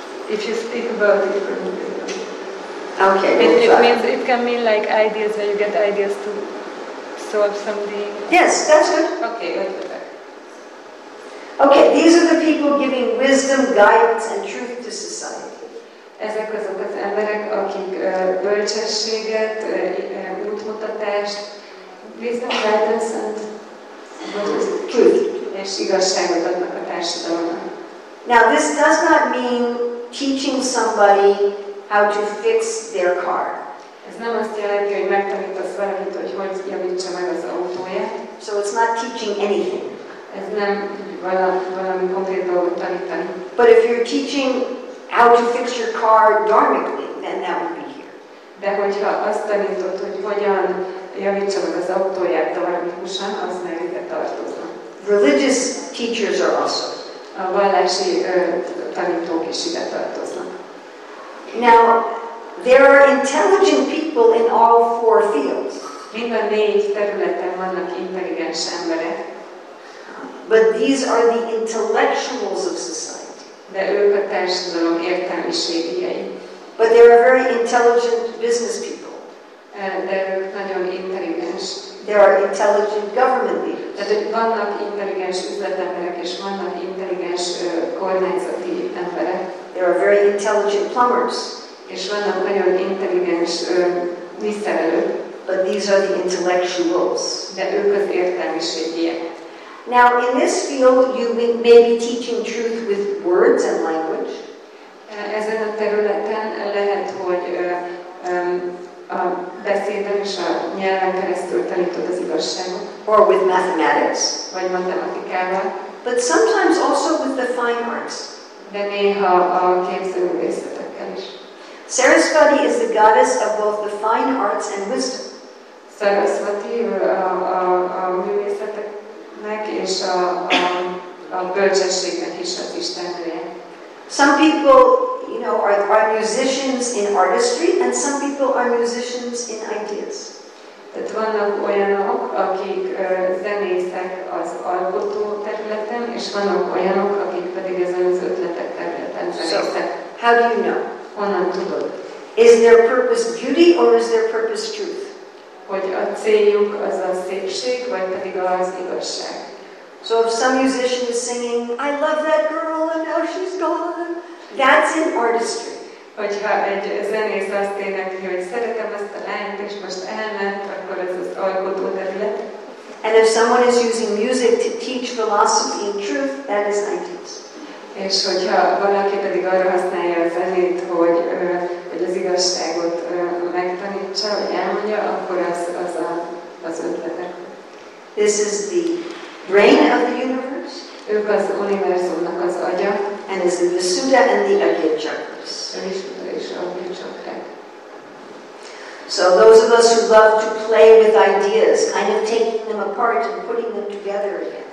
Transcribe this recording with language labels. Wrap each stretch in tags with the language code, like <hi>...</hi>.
<en>If you speak about it differently. Okay. It can mean like ideas, where you get ideas to solve something. Yes, that's good. Okay, okay, these are the people giving wisdom, guidance, and truth to society.</en> <hu>Ezek azok az emberek, akik bölcsességet, útmutatást,</hu> <en>wisdom, guidance, and truth,</en> <hu>és igazságot adnak a társadalomnak.</hu> <en>Now this does not mean teaching somebody how to fix their car.</en> <hu>Ez nem azt jelenti, hogy megtanítasz valamit, hogy hogy javítsa meg az autóját.</hu> <en>So it's not teaching anything.</en> <hu>Ez nem valami konkrét dolgot tanítani.</hu> <en>But if you're teaching how to fix your car dharmically, then that would be here.</en> <hu>De hogyha azt tanított, hogy hogyan javítsa meg az autóját dharmikusan, az meg ide tartozna.</hu> <en>Religious teachers are also.</en> <hu>A vallási tanítók is ide tartoznak.</hu> <en>Now, there are intelligent people in all four fields.</en> <hu>Mind a négy területen vannak intelligens emberek.</hu> <en>But these are the intellectuals of society.</en> <hu>De ők a társadalom értelmiségiei.</hu> <en>But they are very intelligent business people.</en> <hu>De ők nagyon intelligens.</hu> <en>They are intelligent government leaders.</en> <hu>De vannak intelligens üzletemberek és vannak intelligens kormányzati emberek.</hu> <en>They are very intelligent plumbers.</en> <hu>És vannak nagyon intelligens visszerelők.</hu> <en>But these are the intellectuals.</en> <hu>De ők az értelmiségiek.</hu> <en>Now in this field you may be teaching truth with words and language.</en> <hu>Ezen a területen lehet, hogy a beszéden és a nyelven keresztül tanítod az igazságot.</hu> <en>Or with mathematics.</en> <hu>Vagy matematikával.</hu> <en>But sometimes also with the fine arts.</en> <hu>De néha a képzőművészetekkel is.</hu> <en>Sarasvati is the goddess of both the fine arts and wisdom.</en> <hu>Sarasvati a művészetek és a bölcsességnek is az istennője.</hu> <en>Some people, you know, are musicians in artistry, and some people are musicians in ideas.</en> <hu>Tehát vannak olyanok, akik zenészek az alkotó területen, és vannak olyanok, akik pedig ezen az ötletek területen zenészek.</hu> <en>So, how do you know?</en> <hu>Honnan tudod?</hu> <en>Is their purpose beauty, or is their purpose truth?</en> <hu>Hogy a céljuk az a szépség, vagy pedig az igazság.</hu> <en>So if some musician is singing, I love that girl and now she's gone, that's in artistry.</en> <hu>Hogyha egy zenész azt énekli, hogy szeretem ezt a lányt, és most elment, akkor ez az alkotó terület.</hu> <en>And if someone is using music to teach philosophy and truth, that is ideas.</en> <hu>És hogyha valaki pedig arra használja a zenét, hogy az igazságot megtanítsa, vagy elmondja, akkor az ötletek.</hu> <en>This is the brain of the universe.</en> <hu>Ők az univerzumnak az agya.</hu> <en>And is the Vasuda and the Ajna chakras.</en> <hu>Vasuda és Ajna chakrák.</hu> <en>So those of us who love to play with ideas, kind of taking them apart and putting them together again.</en>